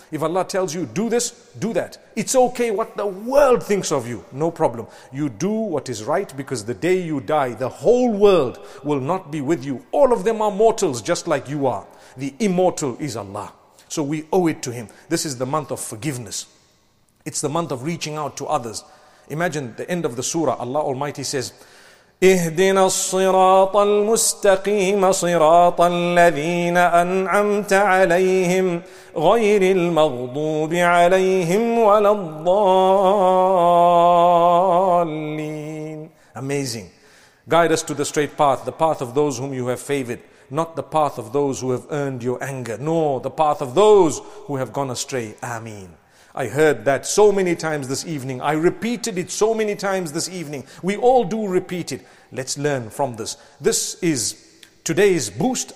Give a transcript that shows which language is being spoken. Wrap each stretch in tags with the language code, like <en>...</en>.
<en>If Allah tells you do this, do that. It's okay what the world thinks of you. No problem. You do what is right, because the day you die, the whole world will not be with you. All of them are mortals just like you are. The immortal is Allah. So we owe it to Him. This is the month of forgiveness. It's the month of reaching out to others. Imagine the end of the surah. Allah Almighty says,</en> <ar>اهدنا الصراط المستقيم صراط الذين أنعمت عليهم غير المغضوب عليهم ولا الضالين.</ar> <en>Amazing. Guide us to the straight path, the path of those whom you have favored, not the path of those who have earned your anger, nor the path of those who have gone astray. Ameen. I heard that so many times this evening. I repeated it so many times this evening. We all do repeat it. Let's learn from this. This is today's boost.</en>